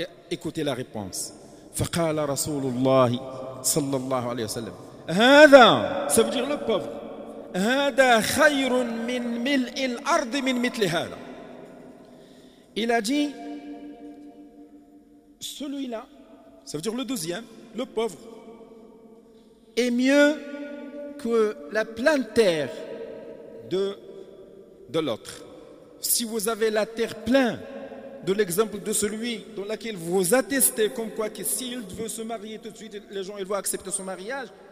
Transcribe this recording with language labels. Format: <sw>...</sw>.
<fr>Écoutez la réponse.</fr> <ar>Faqala Rasulullah sallallahu alayhi wa sallam.</ar> <fr>Hada, ça veut dire le pauvre.</fr> <ar>هذا خير من ملء الأرض من مثل هذا.</ar> <fr>Il a dit, celui-là, ça veut dire le deuxième, le pauvre, est mieux que la pleine terre de l'autre. Si vous avez la terre pleine de l'exemple de celui dans laquelle vous attestez comme quoi que s'il veut se marier tout de suite, les gens ils vont accepter son mariage.</fr>